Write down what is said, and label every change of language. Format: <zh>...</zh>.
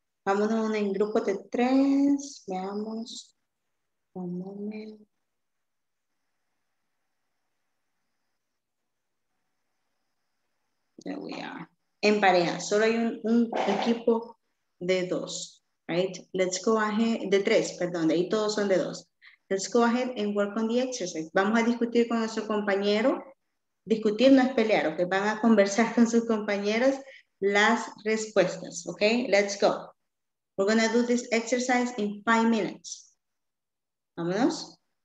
<es>Vamos a uno en grupo de tres. Veamos. Un momento.</es> <en>There we are.</en> <es>En pareja, solo hay un equipo de dos, right?</es> <en>Let's go ahead,</en> <es>de tres, perdón, de ahí todos son de dos.</es> <en>Let's go ahead and work on the exercise.</en> <es>Vamos a discutir con nuestro compañero. Discutir no es pelear, ok? Van a conversar con sus compañeras las respuestas, ok?</es> <en>Let's go. We're gonna do this exercise in 5 minutes.</en> <es>Vámonos.</es>